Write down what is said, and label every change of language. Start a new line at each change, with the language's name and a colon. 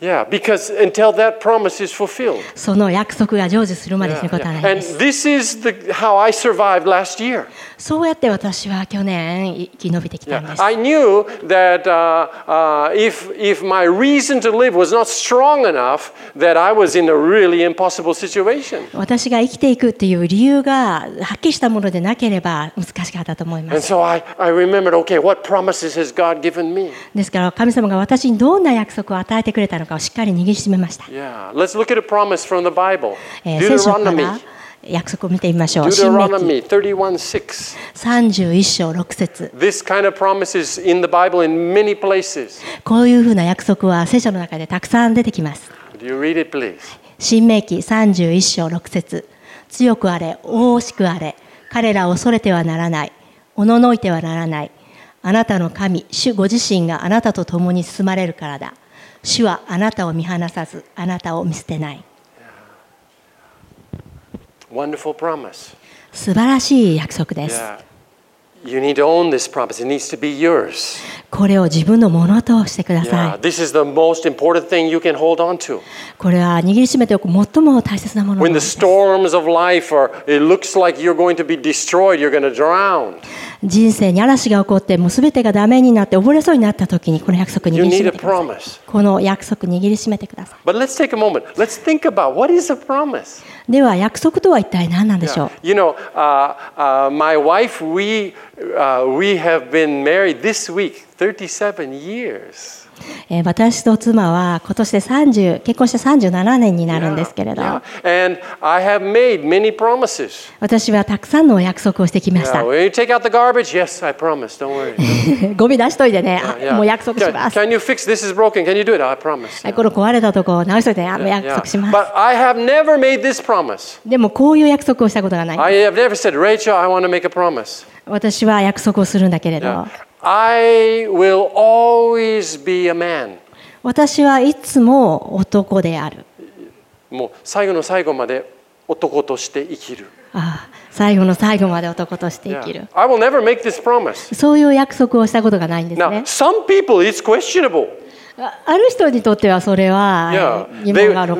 English: Yeah, because until that promise is fulfilled.
Japanese: その約束が成就するまで死ぬことはないんです。
English: And this is how I survived last year.
Japanese: そうやって私は去年生き延びてきたんです。
English: Yeah. I knew that if my reason to live was not strong enough, that I was in a really impossible situation.
Japanese: 私が生きていくっていう理由がはっきりしたものでなければ難しかったと思います。
English: And so I remembered, okay, what promises has God given me?
Japanese: ですから神様が私にどんな約束を与えてくれたのかをしっかり握りしめました。
English: Yeah. Let's look at a promise from the Bible.
Japanese: 聖書から約束を見てみましょう。
English: Deuteronomy 31:6. 31:6. This kind of promise is in the Bible in many places.
Japanese: こういうふうな約束は聖書の中でたくさん出てきます。
English: Do you read it, please?
Japanese: 新命記31:6. 強くあれ、大きくあれ、彼らを恐れてはならない、おののいてはならない。あなたの神、主ご自身があなたと共に進まれるからだ。主はあなたを見放さず、あなたを見捨てない。
English: Wonderful promise.
Japanese: 素晴らしい約束です。
English: Yeah. You need to own this promise. It needs to be yours.
Japanese: これを自分のものとしてください。
English: Yeah. This is the most important thing you can hold on to.
Japanese: これは握りしめておく最も大切なものです。
English: When the storms of life are, it looks like you're going to be destroyed, you're going to drown.
Japanese: 人生に嵐が起こってもう全てがダメになって溺れそうになった時にこの約束握りしめてください。この約束握りしめてください。
English: But let's take a moment. Let's think about what is a promise.
Japanese: では約束とは一体何なんでしょう。
English: Yeah. You know, my wife, we have been married this week 37 years.
Japanese: 私と妻は今年で結婚して37年になるんですけれど。
English: Yeah. Yeah. And I have made many promises.
Japanese: 私はたくさんの約束をしてきました。
English: Yeah. When you take out the garbage, yes, I promise. Don't worry.
Japanese: ゴミ出しといてね。Yeah. Yeah. もう約束します。
English: Can you fix this is broken? Can you do it? I promise. Yeah.
Japanese: この壊れたとこ直しといて、ね、約束します。
English: Yeah. Yeah. But I have never made this promise.
Japanese: でもこういう約束をしたことがない。
English: I have never said, Rachel, I want to make a promise.
Japanese: 私は約束をするんだけれど。
English: Yeah. I will always be a man.
Japanese: 私はいつも男である。もう最後の最後まで男として生きる。ああ、最後の最後まで男として生きる。
English: Yeah. I will never make this promise.
Japanese: そういう約束をしたことがないんですね。
English: Now, some people, it's questionable.
Japanese: ある人にとってはそれは疑問があるか